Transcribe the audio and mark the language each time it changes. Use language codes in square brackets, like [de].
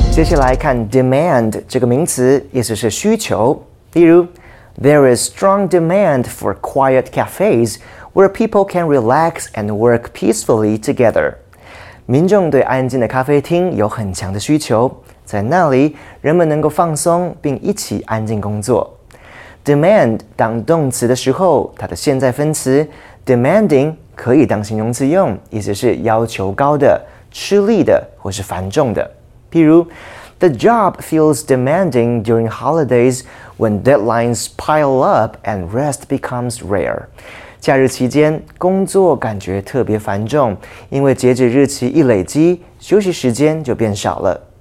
[zh] Demand 这个名词意思是需求。 [en] 例如, there is strong demand for quiet cafes where people can relax and work peacefully together. [zh] 民众对安静的咖啡厅有很强的需求，在那里人们能够放松并一起安静工作。 Demand 当动词的时候，它的现在分词 demanding 可以当形容词用，意思是要求高的、吃力的或是繁重的。 [en] 譬如 The job feels demanding during holidays when deadlines pile up and rest becomes rare. [zh] 假日期间工作感觉特别繁重，因为截止日期一累积，休息时间就变少了。